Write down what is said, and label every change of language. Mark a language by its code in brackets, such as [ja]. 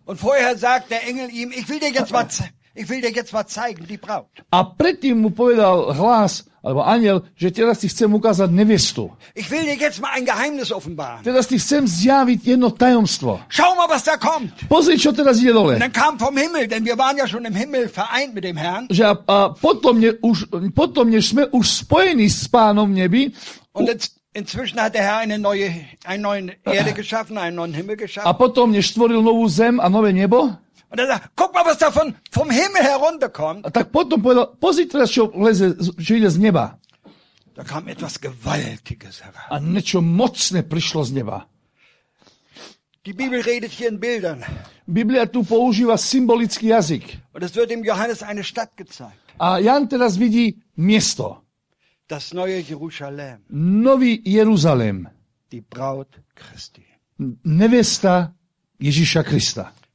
[de] Und vorher sagt der Engel ihm, ich will dir jetzt was zeigen, die Braut. [sk] A predtým mu povedal hlas, alebo anjel, že teraz ti chcem ukázať nevestu. [de] Ich will dir jetzt mal ein Geheimnis offenbaren. [sk] Teraz ti chcem zjaviť jedno tajomstvo. [de] Schau mal, was da kommt. [sk] Pozri, čo teraz ide dole. [de] Und dann kam vom Himmel, denn wir waren ja schon im Himmel vereint mit dem Herrn. [sk] Že a potom, než sme už spojení s Pánom v nebi. [de] Und inzwischen hat der Herr einen neuen Erde geschaffen, einen neuen Himmel geschaffen. [sk] A potom, než stvoril novú zem a nové nebo. [de] Und er sagt, guck mal, was da vom Himmel herunterkommt. [sk] A tak potom povedal, pozri teraz, čo ide z neba. [de] Da kam etwas Gewaltiges heran. [sk] A niečo mocné prišlo z neba. [de] Die Bibel redet hier in Bildern. [sk] Biblia tu používa symbolický jazyk. [de] Und es wird dem Johannes eine Stadt gezeigt. [sk] A Jan teraz vidí miesto. [de] Das neue Jerusalem. [sk] Nový Jeruzalém. [de] Die Braut Christi. [sk] Nevesta Ježíša Krista.